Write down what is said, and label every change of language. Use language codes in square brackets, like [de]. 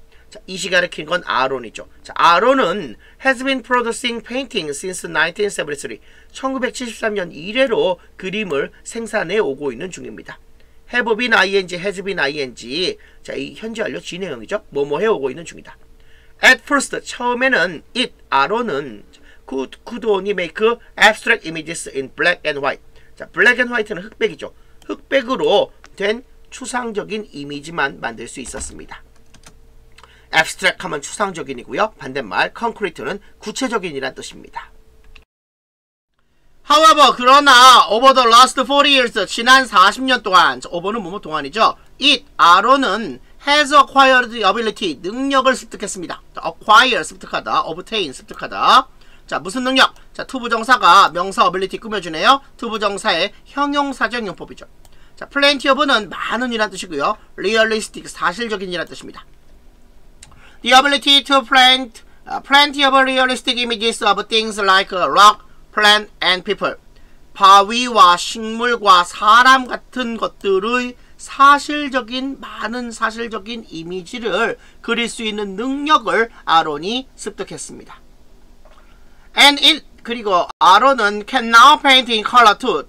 [ko] 자, 이시 가르친 건 아론이죠. 자, 아론은 [en] has been producing painting since 1973. [ko] 1973년 이래로 그림을 생산해 오고 있는 중입니다. [en] have been ing, has been ing. [ko] 자, 이 현재 완료 진행형이죠. 뭐뭐 해 오고 있는 중이다. [en] at first, [ko] 처음에는 [en] it, [ko] 아론은 [en] could only make abstract images in black and white. [ko] 자, black and white는 흑백이죠. 흑백으로 된 추상적인 이미지만 만들 수 있었습니다. abstract 하면 추상적인이고요. 반대말 concrete는 구체적인이란 뜻입니다. [en] However, [ko] 그러나 [en] over the last 40 years, [ko] 지난 40년 동안, [en] over는 [ko] 뭐뭐 동안이죠. [en] it, [ko] 아론은 [en] has acquired the ability, [ko] 능력을 습득했습니다. acquire, 습득하다, obtain, 습득하다. 자, 무슨 능력? 자, 투부정사가 명사 ability 꾸며주네요. 투부정사의 형용사적 용법이죠. 자, plenty of는 많은 이란 뜻이고요. realistic, 사실적인 이란 뜻입니다. [en] The ability to plant plenty of realistic images of things like rock, plant, and people. [ko] 바위와 식물과 사람 같은 것들의 사실적인, 많은 사실적인 이미지를 그릴 수 있는 능력을 아론이 습득했습니다. [en] And it, [ko] 그리고 아론은 [en] can now paint in color too.